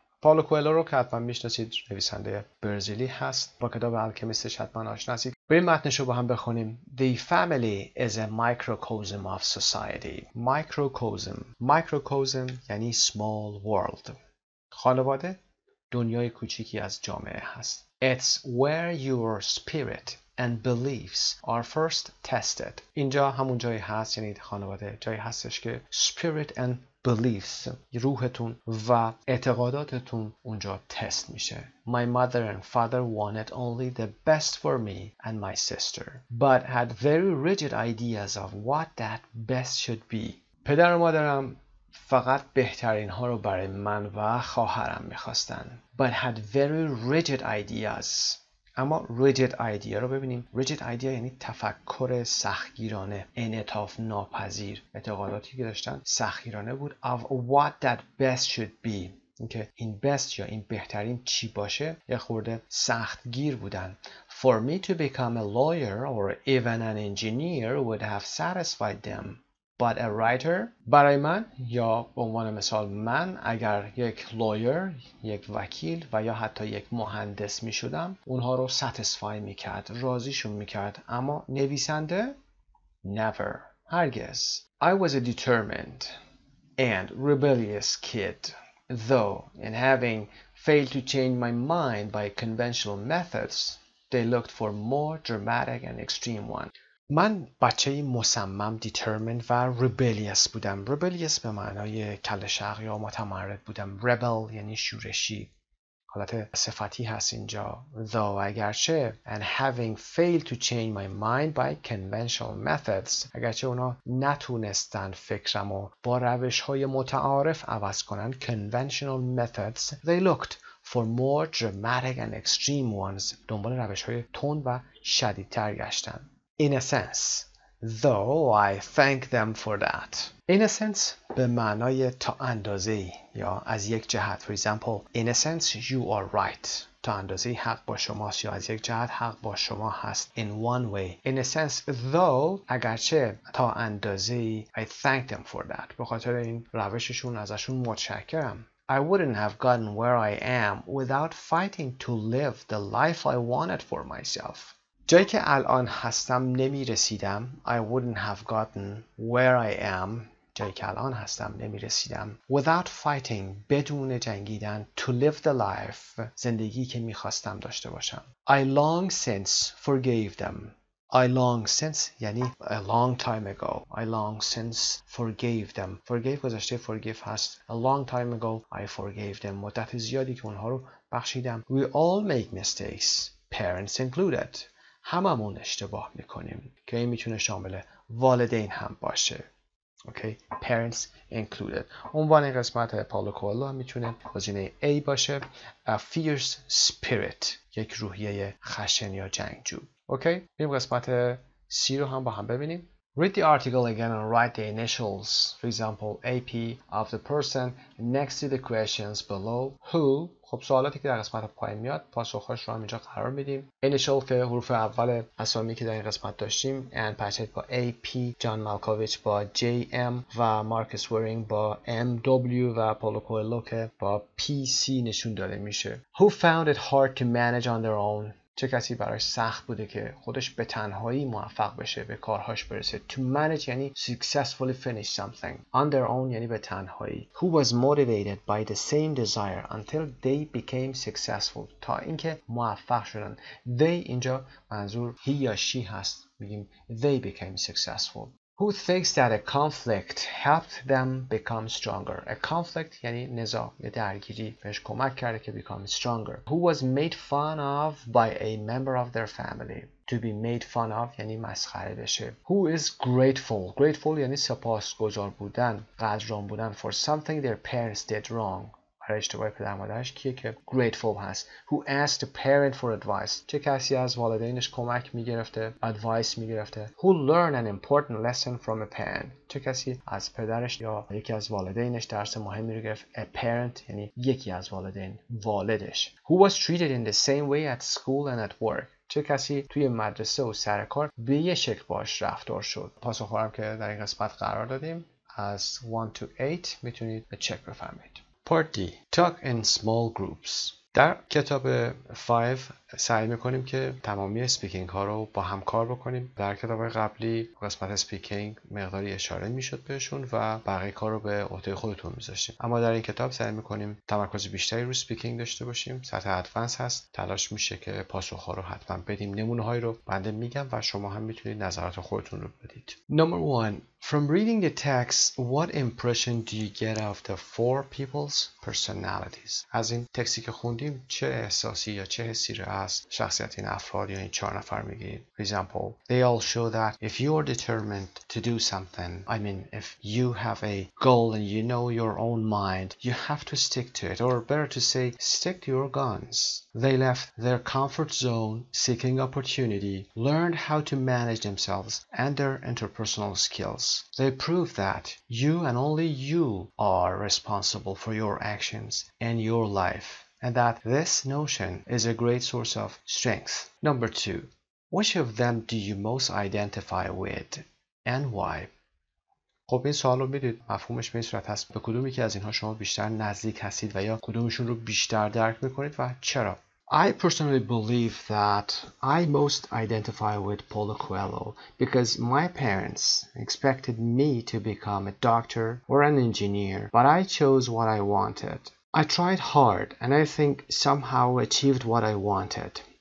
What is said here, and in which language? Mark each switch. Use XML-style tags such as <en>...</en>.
<fa>پاولو کوئلو رو که حتما میشناسید، نویسنده برزیلی هست، با کتاب الکمیستش حتما آشنا هستید. بریم متنش رو با هم بخونیم.</fa> <en>The family is a microcosm of society. Microcosm. Microcosm یعنی small world.</en> <fa>خانواده دنیای کوچیکی از جامعه هست.</fa> <en>It's where your spirit and beliefs are first tested.</en> <fa>اینجا همون جایی هست، یعنی خانواده جایی هستش که</fa> <en>spirit and beliefs،</en> <fa>روحتون و اعتقاداتتون اونجا تست میشه.</fa> <en>My mother and father wanted only the best for me and my sister, but had very rigid ideas of what that best should be.</en> <fa>پدر و مادرم فقط بهترین ها رو برای من و خواهرم میخواستن.</fa> <en>But had very rigid ideas. اما rigid idea رو ببینیم.</en> <fa>rigid idea یعنی تفکر سختگیرانه، انعطاف ناپذیر. اعتقاداتی که داشتن سختگیرانه بود.</fa> <en>of what that best should be،</en> <fa>اینکه این best یا این بهترین چی باشه، یه خورده سختگیر بودن.</fa> <en>for me to become a lawyer or even an engineer would have satisfied them، but a writer،</en> <fa>برای من یا به عنوان مثال من، اگر یک لایر، یک وکیل و یا حتی یک مهندس می شدم، اونها رو ساتیسفای می کرد، راضیشون می کرد. اما نویسنده، never، هرگز.</fa> <en>I was a determined and rebellious kid though in having failed to change my mind by conventional methods they looked for more dramatic and extreme ones.</en> <fa>من بچه مصمم، determined و rebellious بودم. rebellious به معنای کل شرق یا متمرد بودم. rebel یعنی شورشی، حالت صفتی هست اینجا. though اگرچه، and having failed to change my mind by conventional methods، اگرچه اونا نتونستن فکرمو با روش‌های متعارف عوض کنن، conventional methods، they looked for more dramatic and extreme ones، دنبال روش‌های تند و شدیدتر گشتن.</fa> <en>In a sense, though I thank them for that. In a sense</en> <fa>به معنای تا اندازه یا از یک جهت.</fa> <en>For example, in a sense you are right.</en> <fa>تا اندازه حق با شماست یا از یک جهت حق با شما هست.</fa> <en>In one way. In a sense, though</en> <fa>اگرچه تا اندازه</fa> <en>I thank them for that.</en> <fa>به خاطر این روششون ازشون متشکرم.</fa> <en>I wouldn't have gotten where I am without fighting to live the life I wanted for myself.</en> <fa>جایی که الان هستم نمی رسیدم.</fa> <en>I wouldn't have gotten where I am.</en> <fa>جایی که الان هستم نمی رسیدم.</fa> <en>Without fighting.</en> <fa>بدون جنگیدن.</fa> <en>To live the life.</en> <fa>زندگی که می خواستم داشته باشم.</fa> <en>I long since forgave them. I long since یعنی a long time ago. I long since forgave them.</en> <fa>Forgave گذشته forgive هست.</fa> <en>A long time ago I forgave them.</en> <fa>مدت زیادی که اونها رو بخشیدم.</fa> <en>We all make mistakes. Parents included.</en> <fa>هممون اشتباه میکنیم. که این میتونه شامل والدین هم باشه. Okay.</fa> <en>Parents included.</en> <fa>عنوان قسمت پاولو کوئلو هم میتونه گزینه A باشه.</fa> <en>A fierce spirit.</en> <fa>یک روحیه خشن یا جنگجو. Okay, بیم قسمت C رو هم با هم ببینیم.</fa> <en>Read the article again and write the initials. For example, AP of the person next to the questions below. Who?</en> <fa>خب سوالاتی که در قسمت پایین میاد پاسخش رو هم اینجا قرار میدیم. Initial که حروف اول اسامی که در این قسمت داشتیم. And Patrick با AP, John Malkovich با JM و Marcus Waring با MW و Paulo Coelho که با PC نشون داده میشه.</fa> <en>Who found it hard to manage on their own?</en> <fa>چه کسی برای سخت بوده که خودش به تنهایی موفق بشه به کارهاش برسه.</fa> <en>To manage یعنی successfully finish something. On their own یعنی</en> <fa>به تنهایی.</fa> <en>Who was motivated by the same desire until they became successful.</en> <fa>تا اینکه موفق شدن. They اینجا منظور he یا she هست. میگیم they became successful.</fa> <en>Who thinks that a conflict helped them become stronger?</en> <fa>A conflict یعنی نزاع یا درگیری بهش کمک کرده که</fa> <en>become stronger. Who was made fun of by a member of their family? To be made fun of</en> <fa>یعنی مسخره بشه.</fa> <en>Who is grateful?</en> <fa>Grateful یعنی سپاسگزار بودن، قدردان بودن</fa> <en>for something their parents did wrong.</en> <fa>اشتباه پدر مادرش کیه که grateful هست.</fa> <en>Who asked a parent for advice.</en> <fa>چه کسی از والدینش کمک میگرفته، advice میگرفته.</fa> <en>Who learned an important lesson from a parent.</en> <fa>چه کسی از پدرش یا یکی از والدینش درس مهمی رو گرفت. A parent یعنی یکی از والدین، والدش.</fa> <en>Who was treated in the same way at school and at work.</en> <fa>چه کسی توی مدرسه و سرکار به یه شکل باش رفتار شد. پاسخوارم که در این قسمت قرار دادیم از 1 to 8 میتونید به چک بفرمید.</fa> <en>Part D. Talk in small groups.</en> <fa>در کتاب 5 سعی میکنیم که تمامی سپیکینگ ها رو با هم کار بکنیم. در کتاب قبلی قسمت سپیکینگ مقداری اشاره میشد بهشون و بقیه کار رو به عهده خودتون میذاشتیم. اما در این کتاب سعی میکنیم تمرکز بیشتری رو سپیکینگ داشته باشیم. سطح ادوانس هست. تلاش میشه که پاسخ ها رو حتما بدیم. نمونه های رو بنده میگم و شما هم میتونید نظرات خودتون رو بدید.</fa> <en>Number 1. From reading the text, what impression do you get of the four people's personalities?</en> <fa>از این تکستی که خوندیم چه احساسی یا چه حسی رو از شخصیت این افراد یا این چهار نفر میگید؟ For example,</fa> <en>they all show that if you are determined to do something, I mean if you have a goal and you know your own mind, you have to stick to it, or better to say, stick to your guns. They left their comfort zone, seeking opportunity, learned how to manage themselves and their interpersonal skills. They proved that you and only you are responsible for your actions and your life. And that this notion is a great source of strength. Number 2. Which of them do you most identify with and why?</en> <fa>خب این سوال رو میدید. مفهومش به این صورت هست. به کدومی که از اینها شما بیشتر نزدیک هستید و یا کدومشون رو بیشتر درک میکنید و چرا؟</fa> <en>I personally believe that I most identify with Paulo Coelho because my parents expected me to become a doctor or an engineer, but I chose what I wanted. I tried hard and I think somehow achieved what I wanted.</en>